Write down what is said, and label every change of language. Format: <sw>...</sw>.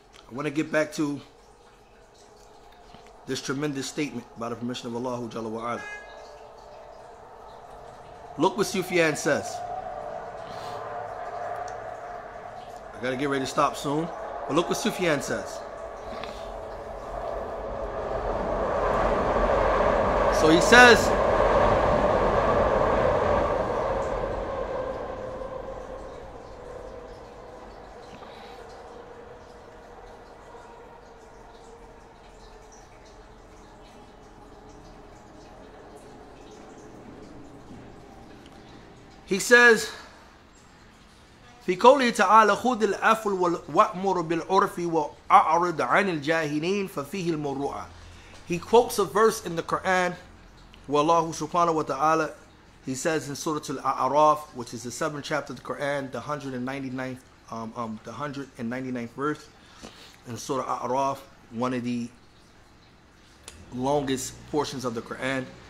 <en>I want to get back to this tremendous statement by the permission of Allah Jalla wa Ala. Look what Sufyan says. I got to get ready to stop soon. But look what Sufyan says. So he says,</en> <ar>في قوله تعالى خذ العفو وأمر بالعرف وأعرض عن الجاهلين ففيه المروءة.</ar> <en>He quotes a verse in the Quran where Allah subhanahu wa ta'ala, he says in Surah Al-A'raf, which is the 7th chapter of the Quran, the 199th verse in Surah Al-A'raf, one of the longest portions of the Quran.</en>